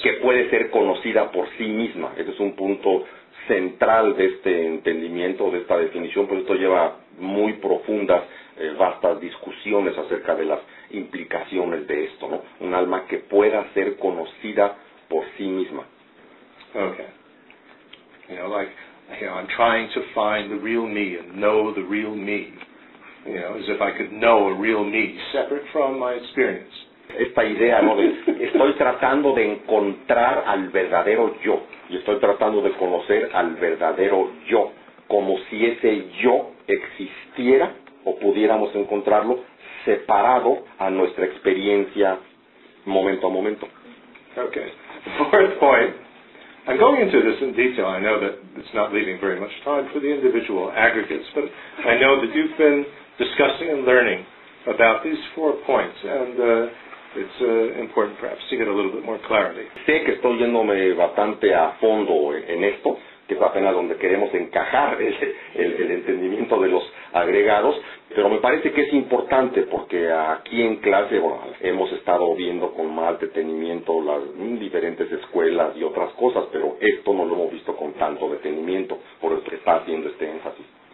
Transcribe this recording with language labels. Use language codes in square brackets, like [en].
[es] Que puede ser conocida por sí misma. Ese es un punto central de este entendimiento, de esta definición, pero esto lleva muy profundas, vastas discusiones acerca de las implicaciones de esto, ¿no? Un alma que pueda ser conocida por sí misma. [en] Okay. You know, like, you know, I'm trying to find the real me and know the real me. You know, as if I could know a real me separate from my experience. [es] Esta idea, ¿no? De, estoy tratando de encontrar al verdadero yo. Y estoy tratando de conocer al verdadero yo. Como si ese yo existiera o pudiéramos encontrarlo separado a nuestra experiencia momento a momento. [en] Okay. Fourth point. I'm going into this in detail. I know that it's not leaving very much time for the individual aggregates, but I know that you've been discussing and learning about these four points, and it's important perhaps to get a little bit more clarity. [es] Sé que estoy yéndome bastante a fondo en esto, que es apenas donde queremos encajar el entendimiento de los agregados, pero me parece que es importante porque aquí en clase, bueno, hemos estado viendo con más detenimiento las diferentes escuelas y otras cosas, pero esto no lo hemos visto con tanto detenimiento, por eso está haciendo este énfasis.